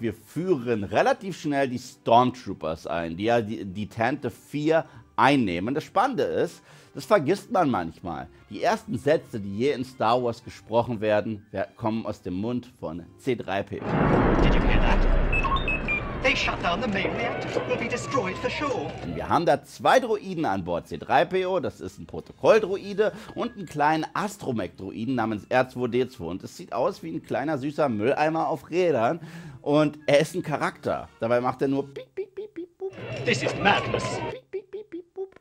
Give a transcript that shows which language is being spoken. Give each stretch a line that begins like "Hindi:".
German: Wir führen relativ schnell die Stormtroopers ein, die ja die Tante 4 einnehmen. Das Spannende ist, das vergisst man manchmal. Die ersten Sätze, die je in Star Wars gesprochen werden, kommen aus dem Mund von C-3PO.
English: Did you hear that? They shut down the main reactor. We'll be destroyed for sure.
German: Und wir haben da zwei Droiden an Bord. C-3PO, das ist ein Protokolldroide, und einen kleinen Astromech-Droiden namens R2-D2. Und es sieht aus wie ein kleiner süßer Mülleimer auf Rädern. Und er ist ein Charakter. Dabei macht er nur piep, piep, piep, piep, boop.
English: This is madness.
German: Piep, piep, piep, piep, boop.